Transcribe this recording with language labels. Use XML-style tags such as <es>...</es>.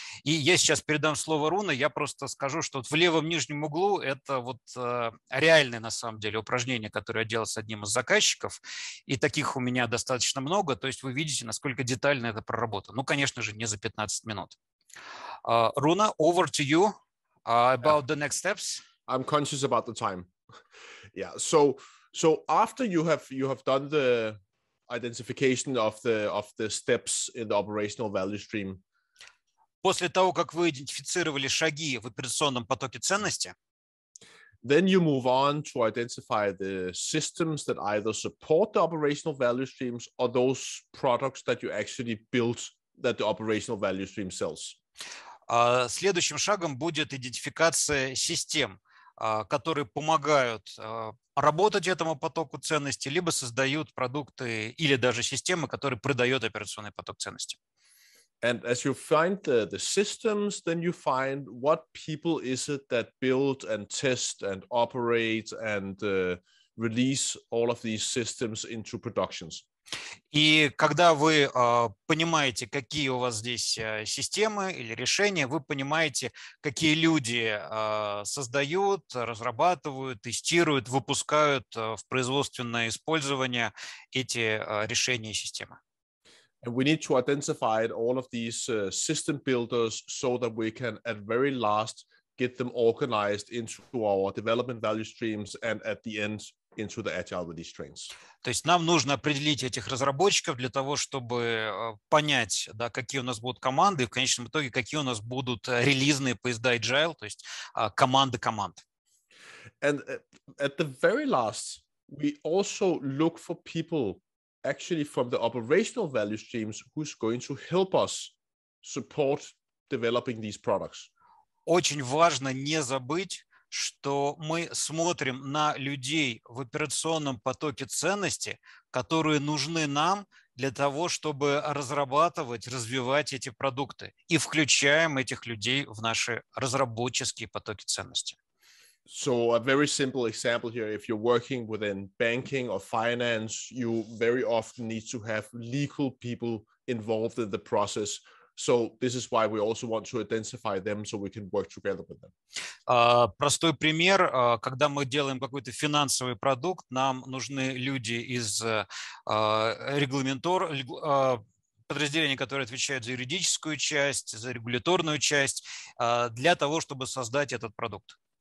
<ru>И я сейчас передам слово Руне, я просто скажу, что вот в левом нижнем углу это вот реальное, на самом деле, упражнение, которое я делал с одним из заказчиков, и таких у меня достаточно много, то есть вы видите, насколько детально это проработано. Ну, конечно же, не за 15 минут.</ru> <en>Руна, over to you about the next steps. I'm conscious about the time. Yeah. So after you have done the identification of the steps in the operational value stream.</en> <ru>После того, как вы идентифицировали шаги в операционном потоке ценности,</ru> <en>then you move on to identify the systems that either support the operational value streams or those products that you actually built that the operational value stream sells.</en> <ru>Следующим шагом будет идентификация систем, которые помогают работать этому потоку ценности, либо создают продукты или даже системы, которые продают операционный поток ценности.</ru> <en>And as you find the systems, then you find what people is it that build and test and operate and release all of these systems into productions.</en> <ru>И когда вы понимаете, какие у вас здесь системы или решения, вы понимаете, какие люди создают, разрабатывают, тестируют, выпускают в производственное использование эти решения и системы.</ru> <en>And we need to identify all of these system builders so that we can at very last get them organized into our development value streams and at the end into the agile release trains.</en> <ru>То есть нам нужно определить этих разработчиков для того, чтобы понять, да, какие у нас будут команды, и в конечном итоге, какие у нас будут релизные поезда agile, то есть команды команд.</ru> <en>And at the very last, we also look for people actually from the operational value streams who's going to help us support developing these products.</en> <ru>Очень важно не забыть, что мы смотрим на людей в операционном потоке ценности, которые нужны нам для того, чтобы разрабатывать, развивать эти продукты, и включаем этих людей в наши разработческие потоки ценности.</ru> <en>So a very simple example here, if you're working within banking or finance, you very often need to have legal people involved in the process. So this is why we also want to identify them so we can work together with them.</en> <ru>Простой пример, когда мы делаем какой-то финансовый продукт, нам нужны люди из подразделения, которые отвечают за юридическую часть, за регуляторную часть, для того, чтобы создать этот продукт.</ru>